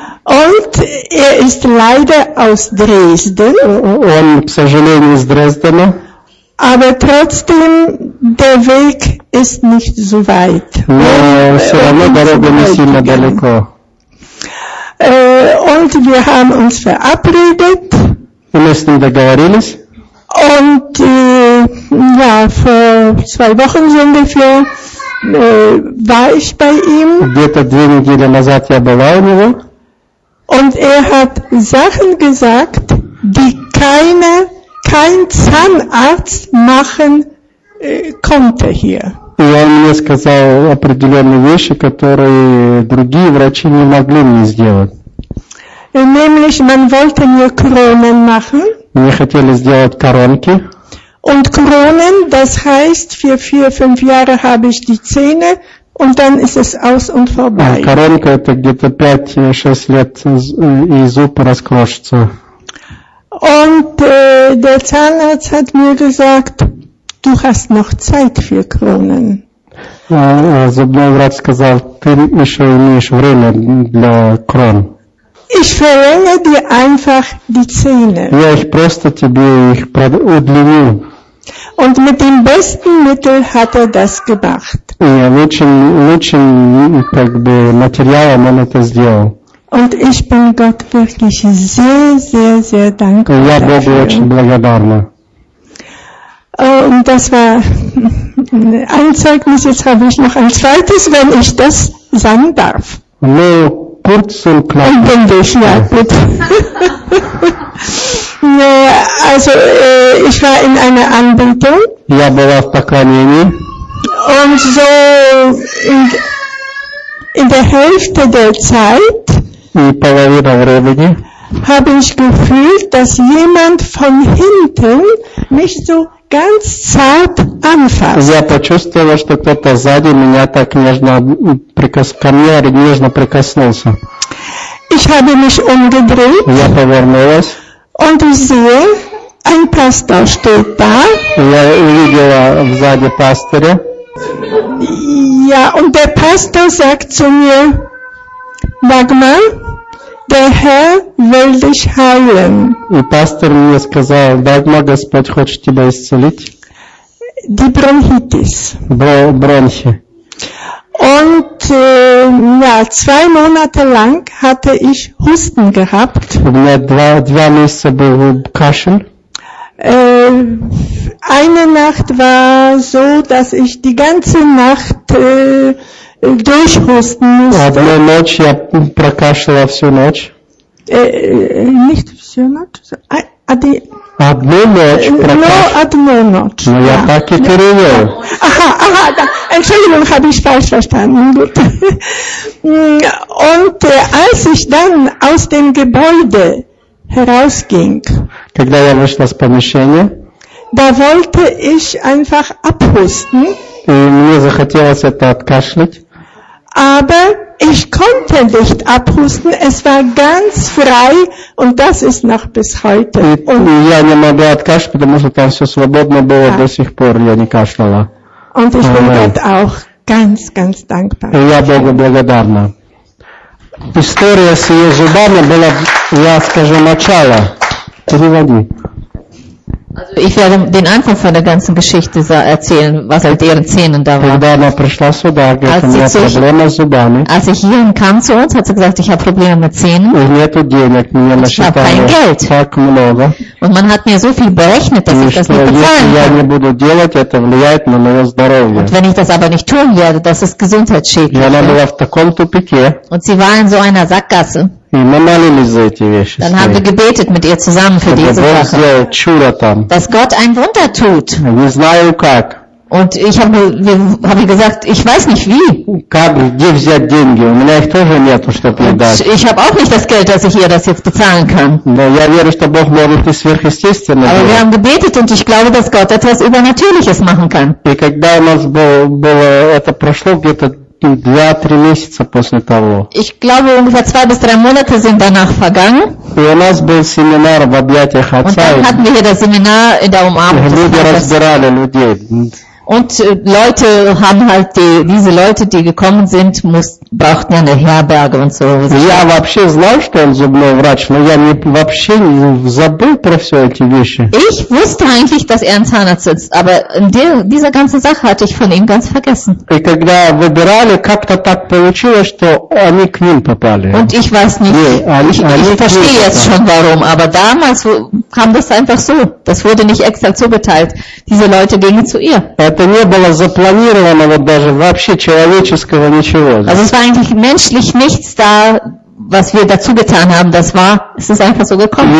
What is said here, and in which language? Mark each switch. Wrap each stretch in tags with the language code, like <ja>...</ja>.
<de>Und er ist leider aus Dresden.</de> <ru>Он, к сожалению, из Дрездена.</ru> <de>Aber trotzdem, der Weg ist nicht so weit. Und wir haben uns verabredet. Wir müssen</de> <ru>договорились.</ru> <de>Und ja, vor 2 Wochen so ungefähr war ich bei ihm.</de> <ru>Где-то 2 недели назад я была у него.</ru> <de>Und er hat Sachen gesagt, die kein Zahnarzt machen konnte hier.</de> <ru>И он мне сказал определенные вещи, которые другие врачи не могли мне сделать.</ru> <de>Nämlich, man wollte mir Kronen machen.</de> <ru>Мне хотели сделать коронки.</ru> <de>Und Kronen, das heißt, für 4-5 Jahre habe ich die Zähne und dann ist es aus und vorbei.</de> <ru>Коронка это где-то 5-6 лет и зуб расколется.</ru> <de>Und der Zahnarzt hat mir gesagt, du hast noch Zeit für Kronen.</de> <ru>Зубной врач сказал, ты еще имеешь время для крон.</ru> <de>Ich verlänge dir einfach die Zähne.</de> <ru>Я их просто тебе их удлиню.</ru> <de>Und mit dem besten Mittel hat er das gemacht.</de> <ru>Ja, лучшим как бы материалом он это сделал.</ru> <de>Und ich bin Gott wirklich sehr, sehr, sehr dankbar.</de> <ru>Я Богу очень благодарна.</ru> <de>Und das war ein Zeugnis. Jetzt habe ich noch ein zweites, wenn ich das sagen darf. Ну, kurz und knapp. Und bündig, ja, gut. Ja, also ich war in einer Anbetung.</de> <ru>Я была в поклонении.</ru> <de>Und so in der Hälfte der Zeit habe ich gefühlt, dass jemand von hinten mich so ganz zart anfasst.</de> <ru>Я почувствовала, что кто-то сзади меня так нежно прикоснулся.</ru> <de>Ich habe mich umgedreht.</de> <ru>Я повернулась.</ru> <de>Und ich sehe, ein Pastor steht da.</de> <ru>Я увидела сзади пастора.</ru> <de>Ja, und der Pastor sagt zu mir, Magmar, der Herr will dich heilen.</de> <ru>И пастор мне сказал, Дагма, Господь хочет тебя исцелить.</ru> <de>Die Bronchitis.</de> <ru>Бронхи.</ru> <de>Und ja, 2 Monate lang hatte ich Husten gehabt.</de> <ru>У меня 2 месяца был кашель.</ru> <de>Eine Nacht war so, dass ich die ganze Nacht durchhusten musste.</de> <ru>Одну ночь я прокашляла всю ночь.</ru> <de>Nicht</de> <ru>всю ночь, Одну ночь прокашляла. Я так и перевел.</ru> <de>Entschuldigung, habe ich falsch verstanden. Gut. Und als ich dann aus dem Gebäude herausging,</de> <ru>когда я вышла с помещения,</ru> <de>da wollte ich einfach abhusten.</de> <ru>И мне захотелось это откашлять.</ru> <de>Aber ich konnte nicht abhusten. Es war ganz frei und das ist noch bis heute.</de> <ru>И я не могла откашлять, потому что там все свободно было. До сих пор я не кашляла.</ru> <de>Und ich bin Gott auch ganz, ganz dankbar.</de> <ru>И я Богу благодарна. История с ее зубами была, я скажу, начало. Переводи.</ru> <de>Also ich werde den Anfang von der ganzen Geschichte erzählen, was mit ihren Zähnen da war.</de> <ru>Когда она пришла сюда, говорит, у меня проблемы с зубами.</ru> <de>Als ich hierhin kam zu uns, hat sie gesagt, ich habe Probleme mit Zähnen.</de> <ru>И нету денег, мне насчитали так.</ru> <de>Und man hat mir so viel berechnet, dass ich das nicht bezahlen kann.</de> <ru>Я не буду делать, это влияет на мое здоровье.</ru> <de>Und wenn ich das aber nicht tun werde, das ist gesundheitsschädlich.</de> <ru>И она была в таком тупике.</ru> <de>Und sie war in so einer Sackgasse.</de> <ru>И мы молились за эти вещи.</ru> <de>Dann haben wir gebetet mit ihr zusammen für diese Sache. Dass Gott ein Wunder tut.</de> <ru>Не знаю как.</ru> <de>Und ich habe gesagt, ich weiß nicht wie.</de> <ru>Как, где взять деньги? У меня их тоже нету, чтобы ей дать.</ru> <de>Ich habe auch nicht das Geld, dass ich ihr das jetzt bezahlen kann.</de> <ru>Но я верю, что Бог может и сверхъестественно делать.</ru> <de>Aber wir haben gebetet und ich glaube, dass Gott etwas Übernatürliches machen kann.</de> <ru>И когда у нас было это прошло где-то 2-3 месяца после того.</ru> <de>Ich glaube, ungefähr 2-3 Monate sind danach vergangen.</de> <ru>И у нас был семинар в объятиях отца.</ru> <de>Und dann hatten wir hier das Seminar in der Umarmung.</de> <ru>Люди разбирали людей.</ru> <de>Und Leute haben halt die, diese Leute, die gekommen sind, brauchten ja eine Herberge und so.</de> <ru>Я вообще знал, что он зубной врач, но я вообще забыл про все эти вещи.</ru> <de>Ich wusste eigentlich, dass ein Zahnarzt ist, aber diese ganze Sache hatte ich von ihm ganz vergessen.</de> <ru>И когда выбирали, как-то так получилось, что они к ним попали.</ru> <de>Und ich weiß nicht, ich verstehe jetzt schon warum, aber damals kam das einfach so. Das wurde nicht extra zugeteilt. Diese Leute gingen zu ihr.</de> <ru>Это не было запланировано вот даже вообще человеческого ничего.</ru> <de>Also es war eigentlich menschlich nichts da, was wir dazu getan haben. Das war, es ist einfach so gekommen.</de>